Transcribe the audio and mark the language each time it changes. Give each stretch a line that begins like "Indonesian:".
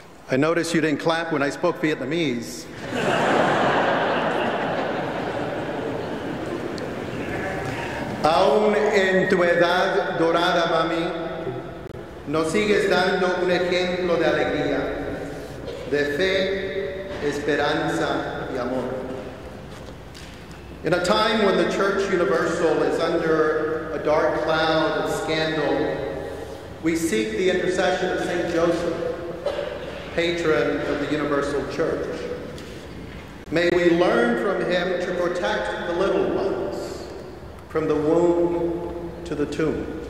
English: I noticed you didn't clap when I spoke Vietnamese.
Spanish: Aún en tu edad dorada, mami, nos sigues dando un ejemplo de alegría, de fe, esperanza, y amor.
English: In a time when the Church Universal is under a dark cloud of scandal, we seek the intercession of Saint Joseph, patron of the Universal Church. May we learn from him to protect the little ones, from the womb to the tomb.